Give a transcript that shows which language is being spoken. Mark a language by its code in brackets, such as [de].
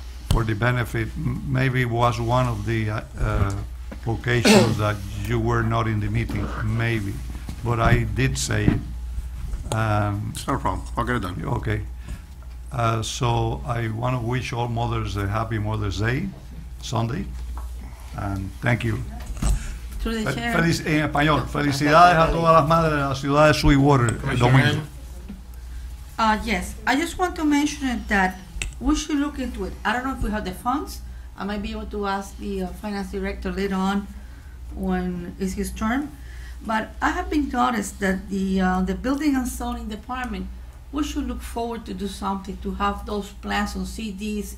[en] For the benefit, maybe it was one of the occasions that you were not in the meeting, maybe. But I did say it. It's not a problem. I'll get it done. Okay. So I want to wish all mothers a happy Mother's Day, Sunday, and thank you. [es] Feliz, en español, felicidades a todas las madres de la ciudad de Sweetwater, Domingo. [en] Yes, I just want to mention that we should look into it. I don't know if we have the funds. I might be able to ask the finance director later on when is his term. But I have been noticed that the building and zoning department, we should look forward to do something to have those plans on CDs.